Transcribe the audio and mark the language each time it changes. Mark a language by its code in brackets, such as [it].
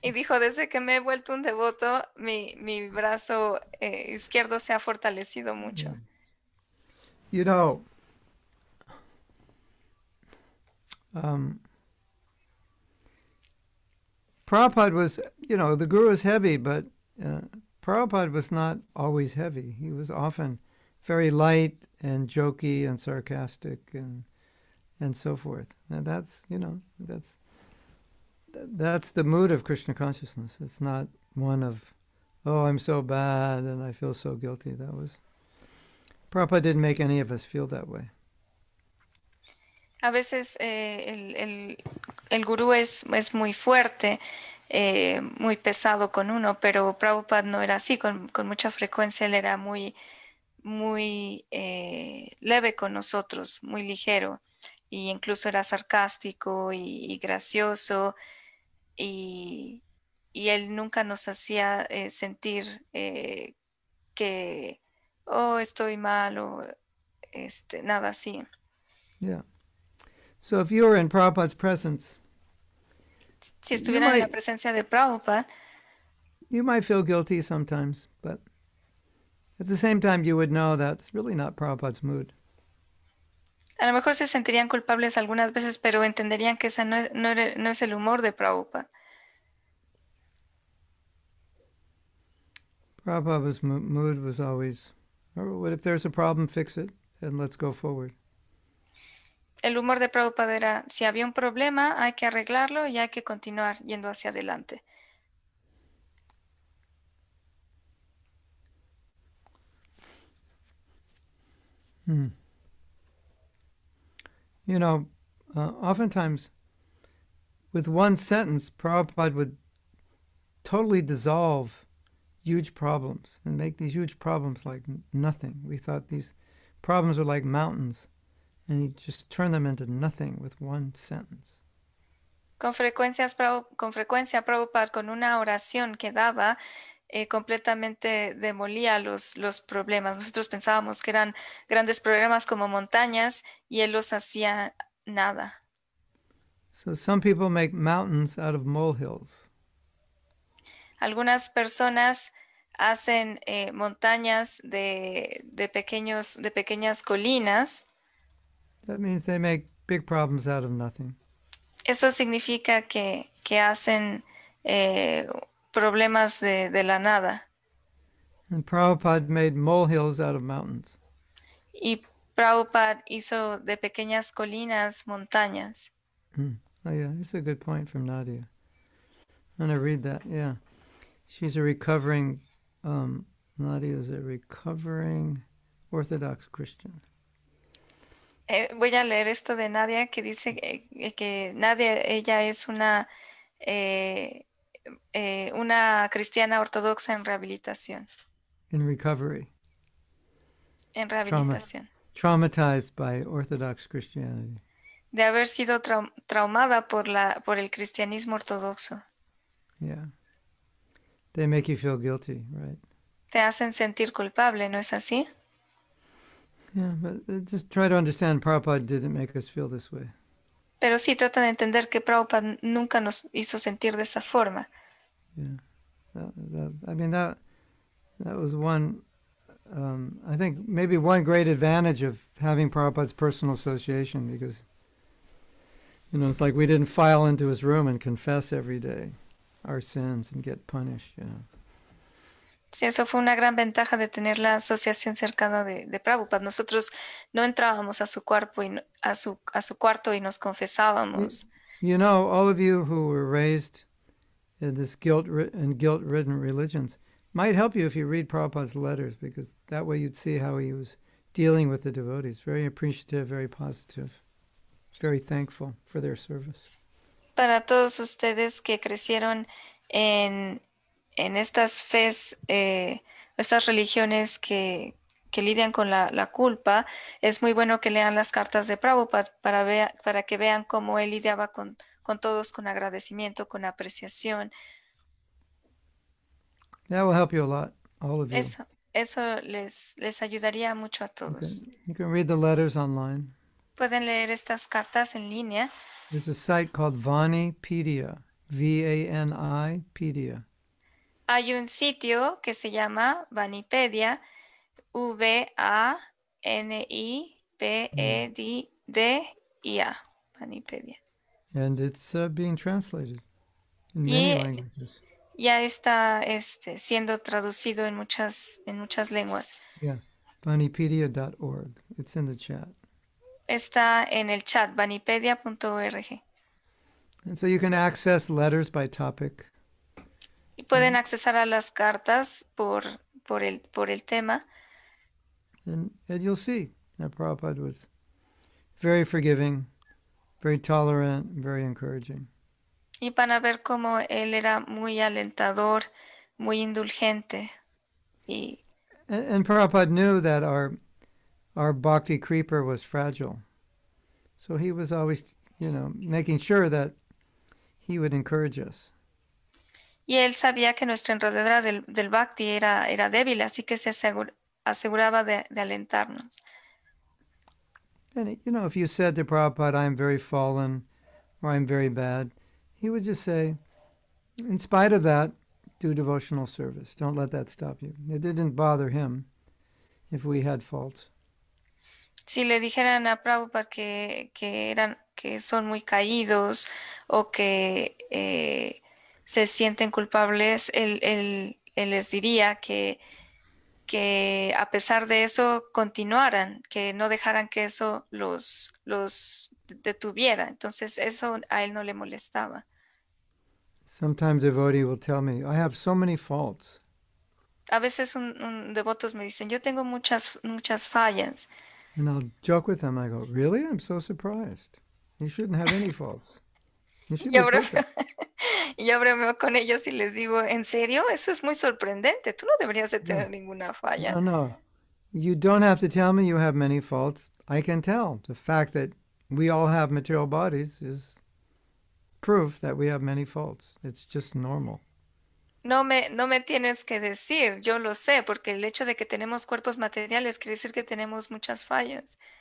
[es] Y dijo, desde que me he vuelto un devoto, mi brazo izquierdo se ha fortalecido mucho. [en] You know, Prabhupada was, you know, the guru is heavy, but Prabhupada was not always heavy. He was often very light and jokey and sarcastic and so forth. And that's, you know, that's the mood of Krishna consciousness. It's not one of, oh, I'm so bad and I feel so guilty. Prabhupada didn't make any of us feel that way. [es] A veces el guru es muy fuerte, muy pesado con uno, pero Prabhupada no era así. Con mucha frecuencia él era muy, muy leve con nosotros, muy ligero. E incluso era sarcástico y gracioso. Y él nunca nos hacía sentir que, oh, estoy mal o nada así. [en] Yeah. So if you were in Prabhupada's presence, [es] si estuviera en la presencia de Prabhupada, [en] you might feel guilty sometimes, but at the same time you would know that's really not Prabhupada's mood. [es] A lo mejor se sentirían culpables algunas veces, pero entenderían que ese no es el humor de Prabhupada. [en] Prabhupada's mood was always, if there's a problem, fix it, and let's go forward. [es] El humor de Prabhupada era, si había un problema, hay que arreglarlo y hay que continuar yendo hacia adelante. [en] You know, oftentimes, with one sentence, Prabhupada would totally dissolve huge problems and make these huge problems like nothing. We thought these problems were like mountains. And he just turned them into nothing with one sentence. [es] Con frecuencia, Prabhupada, con una oración que daba, completamente demolía los problemas. Nosotros pensábamos que eran grandes problemas como montañas, y él los hacía nada. [en] So some people make mountains out of molehills. [es] Algunas personas hacen montañas de pequeñas colinas. [en] That means they make big problems out of nothing. [es] Eso significa que hacen problemas de la nada. [en] And Prabhupada made molehills out of mountains. [es] Y Prabhupada hizo de pequeñas colinas montañas. [en] Oh yeah, that's a good point from Nadia. I'm gonna read that. Yeah, she's a recovering Nadia is a recovering Orthodox Christian. [es] Voy a leer esto de Nadia, que dice que Nadia, ella es una cristiana ortodoxa en rehabilitación. [en] In recovery. [es] en rehabilitación. [en] Traumatized by Orthodox Christianity. [es] De haber sido traumada por el cristianismo ortodoxo. [en] Yeah. They make you feel guilty, right? [es] Te hacen sentir culpable, ¿no es así? [en] Yeah, but just try to understand Prabhupada didn't make us feel this way. [es] Pero sí, trata de entender que Prabhupada nunca nos hizo sentir de esa forma. [en] Yeah. That was one, I think maybe one great advantage of having Prabhupada's personal association, because, you know, it's like we didn't file into his room and confess every day our sins and get punished, you know. [es] Sí, eso fue una gran ventaja de tener la asociación cercana de Prabhupada. Nosotros no entrábamos a su cuerpo y a su cuarto y nos confesábamos. [en] You know, all of you who were raised in this guilt-ridden religions might help you if you read Prabhupada's letters, because that way you'd see how he was dealing with the devotees. Very appreciative, very positive, very thankful for their service. [es] Para todos ustedes que crecieron en estas fes, estas religiones que lidian con la culpa, es muy bueno que lean las cartas de Prabhupada para que vean cómo él lidiaba con todos, con agradecimiento, con apreciación. [en] That will help you a lot, all of you. [es] Eso les ayudaría mucho a todos. [en] You can read the letters online. [es] Pueden leer estas cartas en línea. [en] There's a site called Vanipedia, V-A-N-I-pedia. [es] Hay un sitio que se llama Vanipedia, V-A-N-I-P-E-D-I-A, Vanipedia. [en] And it's being translated in many languages. [es] Ya está siendo traducido en muchas lenguas. [en] Yeah, vanipedia.org. It's in the chat. [es] Está en el chat, vanipedia.org. [en] And so you can access letters by topic. [es] Y pueden accesar a las cartas por el tema. [en] And you'll see that Prabhupada was very forgiving, very tolerant, very encouraging. [es] Y van a ver cómo él era muy alentador, muy indulgente. [en] And Prabhupada knew that our bhakti creeper was fragile. So he was always, you know, making sure that he would encourage us. [es] Y él sabía que nuestra enredadera del bhakti era débil, así que se aseguraba de alentarnos. [en] And you know, if you said to Prabhupada, I am very fallen, or I am very bad, he would just say, in spite of that, do devotional service. Don't let that stop you. It didn't bother him if we had faults. [es] Si le dijeran a Prabhupada que son muy caídos o que se sienten culpables, él les diría que a pesar de eso continuaran, que no dejaran que eso los detuviera. Entonces eso a él no le molestaba. [en] Sometimes a devotee will tell me, I have so many faults. [es] A veces un devotos me dicen, yo tengo muchas fallas. [en] And I'll joke with them, I go, really? I'm so surprised. You shouldn't have any faults. [es] Yo bromeo con ellos y les digo, ¿en serio? Eso es muy sorprendente. Tú no deberías de tener ninguna falla. [en] No. You don't have to tell me you have many faults. I can tell. The fact that we all have material bodies is proof that we have many faults. It's just normal. [es] No me tienes que decir. Yo lo sé, porque el hecho de que tenemos cuerpos materiales quiere decir que tenemos muchas fallas.